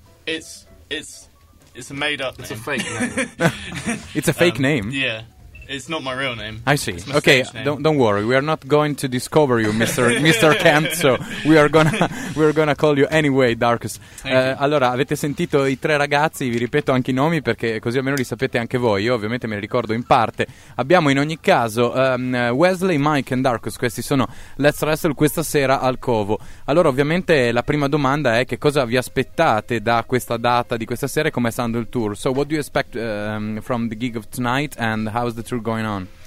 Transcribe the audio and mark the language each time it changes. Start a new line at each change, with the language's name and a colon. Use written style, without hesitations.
English: It's a made up. It's name. A fake name. It's a fake name. Yeah, it's not my real name. I see. Okay, don't worry. We are not going to discover you, Mr. Kent. So we are gonna call you anyway, Darkus.
Italian: Allora, avete sentito i tre ragazzi? Vi ripeto anche i nomi perché così almeno li sapete anche voi. Io ovviamente me li ricordo in parte. Abbiamo in ogni caso Wesley, Mike e Darkus. Questi sono Let's Wrestle questa sera al Covo. Allora, ovviamente la prima domanda è: che cosa vi aspettate da questa data di questa sera e come sta andando il tour?
English: So what do you expect from the gig of tonight and how's the tour going on?